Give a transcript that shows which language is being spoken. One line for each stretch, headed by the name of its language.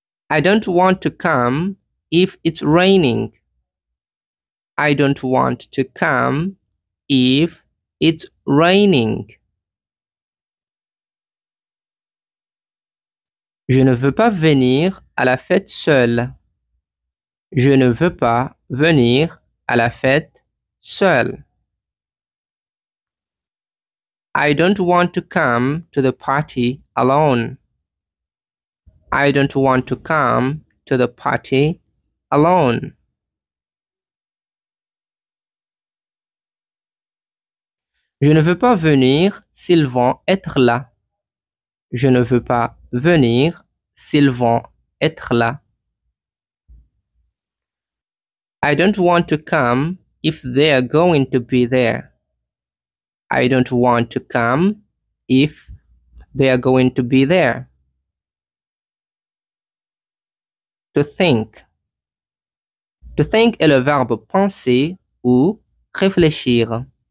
English: I don't want to come if it's raining. I don't want to come if it's raining.
French: Je ne veux pas venir à la fête seule. Je ne veux pas venir à la fête seule.
English: I don't want to come to the party alone. I don't want to come to the party alone.
French: Je ne veux pas venir s'ils vont être là. Je ne veux pas venir s'ils vont être là.
English: I don't want to come if they are going to be there. I don't want to come if they are going to be there. To think.
French: To think est le verbe penser ou réfléchir.